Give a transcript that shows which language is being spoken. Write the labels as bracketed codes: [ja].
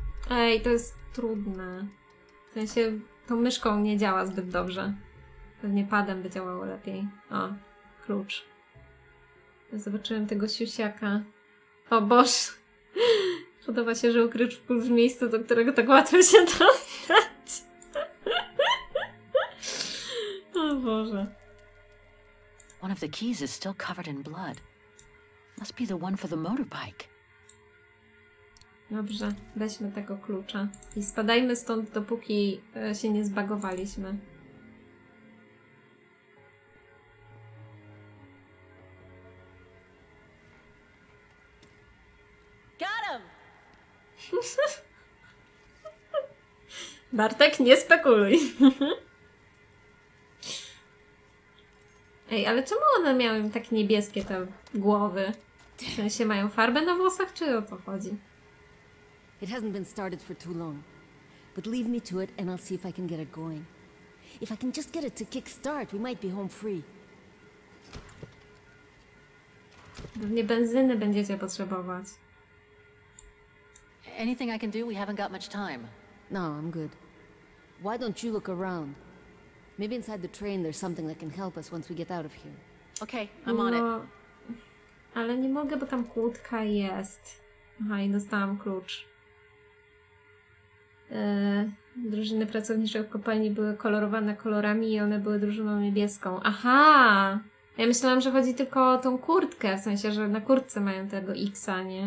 [pl] Ej, to jest trudne. W sensie, tą myszką nie działa zbyt dobrze. Pewnie padem by działało lepiej. O, klucz. Zobaczyłem tego siusiaka. O Boż! Podoba się, że ukrył w miejscu, do którego tak łatwo się dostać. O Boże. [en] One of the keys is still covered in blood. Must be the one for the motorbike. [pl] Dobrze, weźmy tego klucza i spadajmy stąd, dopóki się nie zbagowaliśmy. [en] Got him! [pl] Bartek, nie spekuluj. Ej, ale czemu one miały tak niebieskie te głowy? W sensie mają farbę na włosach, czy o co chodzi? [en] It hasn't been started for too long. But leave me to it and I'll see if I can get it going. If I can just get it to kick start, we might be home free. [pl] Pewnie benzyny będziecie potrzebować. [en] Anything I can do? We haven't got much time. No, I'm good. Why don't you look around? Maybe inside the train there's something that can help us once we get out of here. Okay, I'm on it. [pl] Ale nie mogę, bo tam kłódka jest. Aha, i dostałam klucz. Drużyny pracowniczej w kopalni były kolorowane kolorami i one były drużyną niebieską. Aha! Ja myślałam, że chodzi tylko o tą kurtkę, w sensie, że na kurtce mają tego X-a, nie?